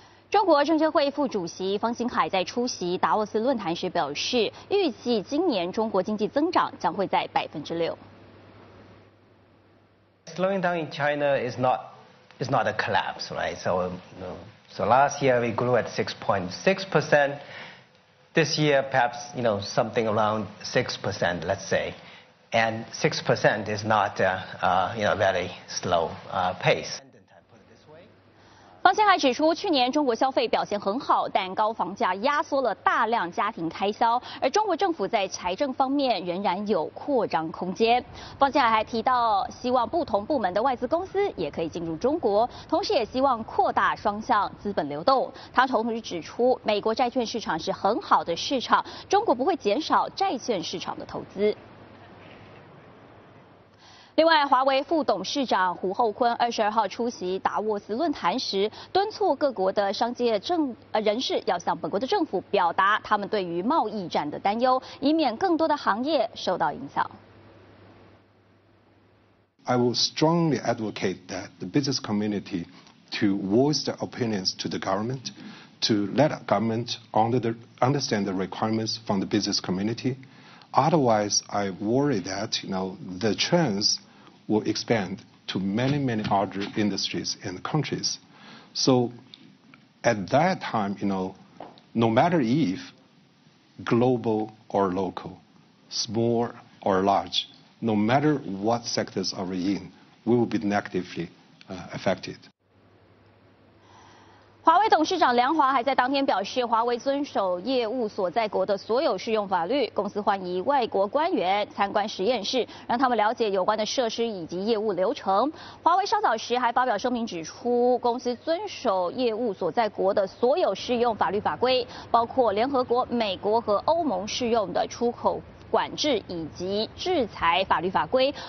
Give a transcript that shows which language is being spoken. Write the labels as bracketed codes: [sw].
[zh] 中国证监会副主席方兴海在出席达沃斯论坛时表示，预计今年中国经济增长将会在6%。 [en] Slowing down in China is not a collapse, right? So. So last year we grew at 6.6%. This year, perhaps, you know, something around 6%, let's say. And 6% is not, very slow pace. [zh] 方兴海指出，去年中国消费表现很好，但高房价压缩了大量家庭开销，而中国政府在财政方面仍然有扩张空间。方兴海还提到，希望不同部门的外资公司也可以进入中国，同时也希望扩大双向资本流动。他同时指出，美国债券市场是很好的市场，中国不会减少债券市场的投资。另外，华为副董事长胡厚昆22号出席达沃斯论坛时，敦促各国的商界人士要向本国的政府表达他们对于贸易战的担忧，以免更多的行业受到影响。 [en] I will strongly advocate that the business community to voice their opinions to the government, to let government understand the requirements from the business community. Otherwise, I worry that, you know, the chance will expand to many, many other industries and countries. So at that time, you know, no matter if global or local, small or large, no matter what sectors are we in, we will be negatively affected. [zh] 华为董事长梁华还在当天表示，华为遵守业务所在国的所有适用法律，公司欢迎外国官员参观实验室，让他们了解有关的设施以及业务流程。华为稍早时还发表声明指出，公司遵守业务所在国的所有适用法律法规，包括联合国、美国和欧盟适用的出口管制以及制裁法律法规。